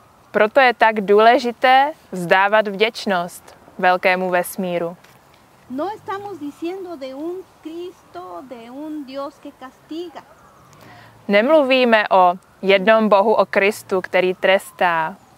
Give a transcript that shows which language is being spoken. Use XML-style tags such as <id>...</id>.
<cs>Proto je tak důležité vzdávat vděčnost velkému vesmíru.</cs> <es>No estamos diciendo de un Cristo, de un Dios que castiga.</es> <cs>Nemluvíme o jednom Bohu, o Kristu, který trestá.</cs>